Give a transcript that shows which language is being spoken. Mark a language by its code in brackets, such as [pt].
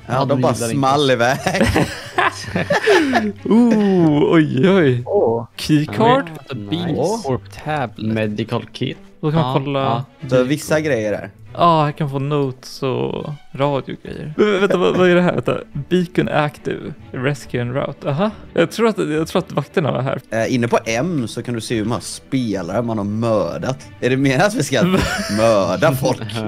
[sv] Ja, de bara small iväg. [en] oj. Keycard, tablet, medical kit. [sv] Då kan man kolla. Det är vissa grejer där. Ja, jag kan få notes och radiogrejer. Vänta, vad är det här? [en] Beacon active, rescue and route. Aha. [sv] Jag tror att vakterna var här. Inne på M så kan du se hur många spelare man har mördat. Är det mer att vi ska mörda folk?